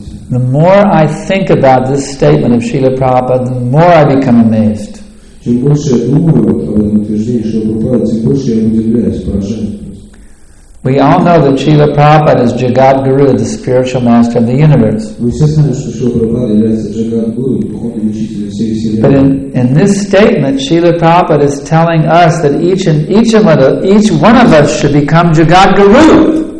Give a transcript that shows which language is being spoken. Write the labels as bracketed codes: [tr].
[en] The more I think about this statement of Srila Prabhupada, the more I become amazed. [ru] Чем больше я думаю об этом утверждении, что Прабхупада, тем больше я удивляюсь, поражаюсь. [en] We all know that Srila Prabhupada is Jagat Guru, the spiritual master of the universe. But in this statement, Srila Prabhupada is telling us that each one of us should become Jagat Guru.